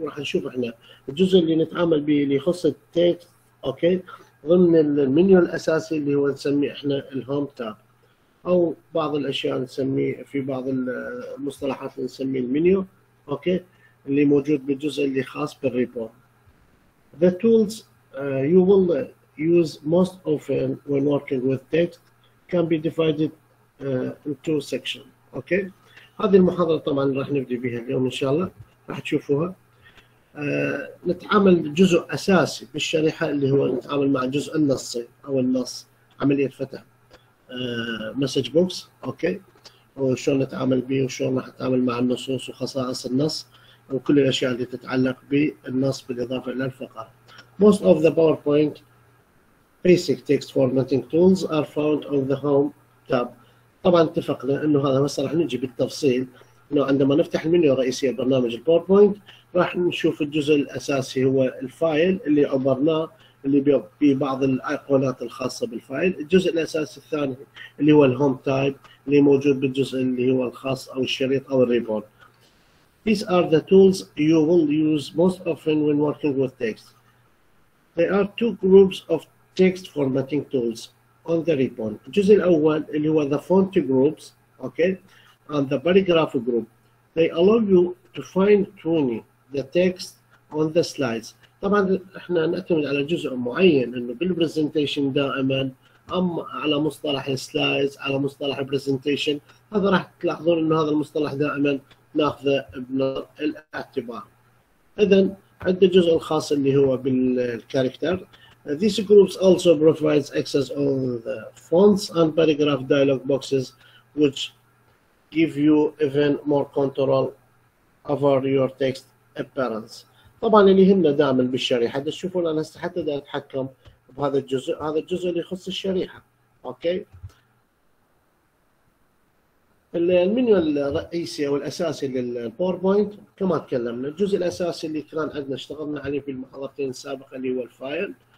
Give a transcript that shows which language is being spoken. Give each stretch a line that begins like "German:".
Arabic: راح نشوف احنا الجزء اللي نتعامل به اللي يخص التكست، اوكي، ضمن المنيو الاساسي اللي هو نسميه احنا الهوم تاب، او بعض الاشياء نسميه في بعض المصطلحات نسميه المنيو، اوكي، اللي موجود بالجزء اللي خاص بالريبورت.
English: The tools you will use most often when working with text can be divided into sections.
Arabic: اوكي، هذه المحاضرة طبعا راح نبدأ بها اليوم ان شاء الله، راح تشوفوها. نتعامل جزء اساسي بالشريحة اللي هو نتعامل مع الجزء النصي او النص، عملية فتح مسج بوكس، اوكي، وشلون نتعامل به وشلون راح نتعامل مع النصوص وخصائص النص وكل الاشياء اللي تتعلق بالنص بالاضافة الى الفقرة.
English: Most of the PowerPoint basic text formatting tools are found on the home tab.
Arabic: طبعا اتفقنا انه هذا هسه راح نجي بالتفصيل، انه عندما نفتح المنيو الرئيسي لبرنامج الباوربوينت راح نشوف الجزء الاساسي هو الفايل اللي عبرناه اللي في بعض الايقونات الخاصه بالفايل. الجزء الاساسي الثاني اللي هو الهوم تايب اللي موجود بالجزء اللي هو الخاص او الشريط او الريبورت.
English: These are the tools you will use most often when working with text. There are two groups of text formatting tools on the report.
Arabic: الجزء الاول اللي هو
English: the font groups, okay, and the paragraph group. They allow you to fine tune the text on the slides.
Arabic: طبعا احنا نعتمد على جزء معين انه بالبرزنتيشن دائما، اما على مصطلح السلايدز، على مصطلح البرزنتيشن، هذا راح تلاحظون انه هذا المصطلح دائما ناخذه بنظر الاعتبار. اذا عنده الجزء الخاص اللي هو بالكاركتر.
English: These groups also provides access on the fonts and paragraph dialog boxes, which give you even more control over your text appearance.
Arabic: طبعا اللي يهمنا دائما بالشريحه، تشوفون انا هسه حتى دا اتحكم بهذا الجزء، هذا الجزء اللي يخص الشريحه، اوكي؟ المنيو الرئيسي او الاساسي للباوربوينت كما تكلمنا، الجزء الاساسي اللي كان عندنا اشتغلنا عليه في المحاضرتين السابقه اللي هو الفايل.